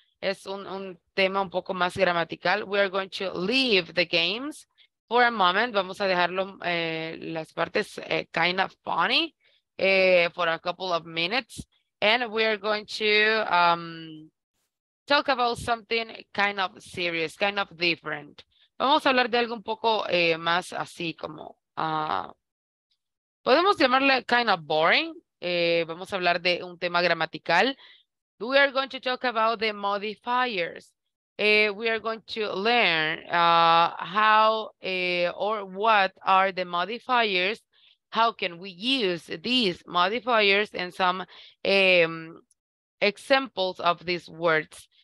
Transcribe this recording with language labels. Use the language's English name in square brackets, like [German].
[Spanish] Es un tema un poco más gramatical. [English] We are going to leave the games for a moment, [Spanish] vamos a dejarlo las partes [English] kind of funny for a couple of minutes. And we are going to talk about something kind of serious, kind of different. [Spanish] Vamos a hablar de algo un poco más así como, podemos llamarle [English] kind of boring. [Spanish] Vamos a hablar de un tema gramatical. [English] We are going to talk about the modifiers. We are going to learn how or what are the modifiers. How can we use these modifiers and some examples of these words.